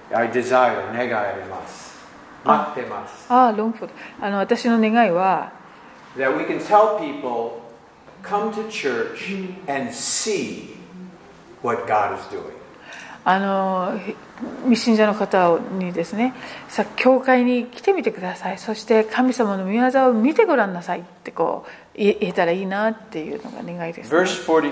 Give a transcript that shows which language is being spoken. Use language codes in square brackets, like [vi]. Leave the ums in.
[en] I desire, [ja] 願います。待ってます。あ、ah, [en] long for the [ja] あの私の願いは。 [en] That we can tell people, come to church and see. what God i [ja] あの未信者の方にですねさあ教会に来てみてくださいそして神様の御業を見てごらんなさいってこう言えたらいいなっていうのが願いです、verse